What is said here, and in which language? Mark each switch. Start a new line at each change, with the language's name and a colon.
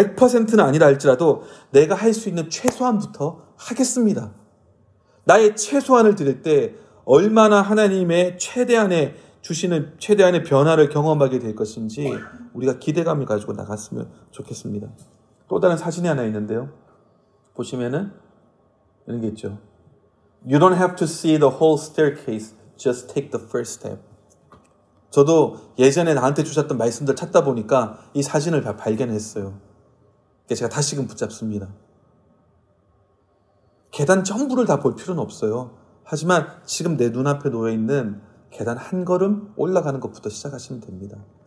Korean: 100%는 아니라 할지라도 내가 할 수 있는 최소한부터 하겠습니다. 나의 최소한을 드릴 때 얼마나 하나님의 최대한의 주시는 최대한의 변화를 경험하게 될 것인지 우리가 기대감을 가지고 나갔으면 좋겠습니다. 또 다른 사진이 하나 있는데요. 보시면은 이런 게 있죠.
English: You don't have to see the whole staircase. Just take the first step.
Korean: 저도 예전에 나한테 주셨던 말씀들 찾다 보니까 이 사진을 발견했어요. 제가 다시금 붙잡습니다. 계단 전부를 다 볼 필요는 없어요. 하지만 지금 내 눈앞에 놓여있는 계단 한 걸음 올라가는 것부터 시작하시면 됩니다.